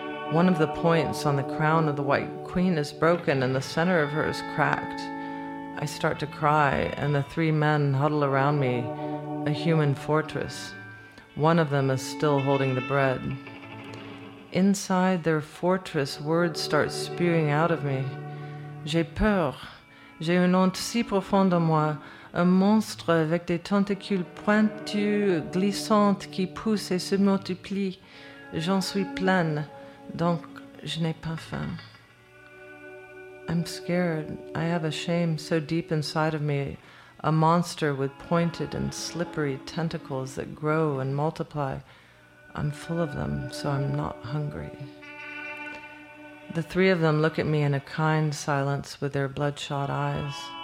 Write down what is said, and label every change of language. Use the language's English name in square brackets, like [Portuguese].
[English] One of the points on the crown of the White Queen is broken and the center of her is cracked. I start to cry, and the three men huddle around me, a human fortress. One of them is still holding the bread. Inside their fortress, words start spewing out of me. [French] J'ai peur. J'ai une honte si profonde en moi. Un monstre avec des tentacules pointues, glissantes, qui poussent et se multiplient. J'en suis pleine, donc je n'ai pas faim. [English] I'm scared. I have a shame so deep inside of me, a monster with pointed and slippery tentacles that grow and multiply. I'm full of them, so I'm not hungry. The three of them look at me in a kind silence with their bloodshot eyes.